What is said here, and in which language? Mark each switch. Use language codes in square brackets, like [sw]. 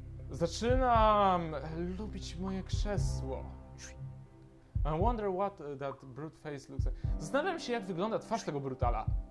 [pl] Zaczynam lubić moje krzesło. [en] I wonder what that brute face looks like. [pl] Zastanawiam się, jak wygląda twarz tego brutala.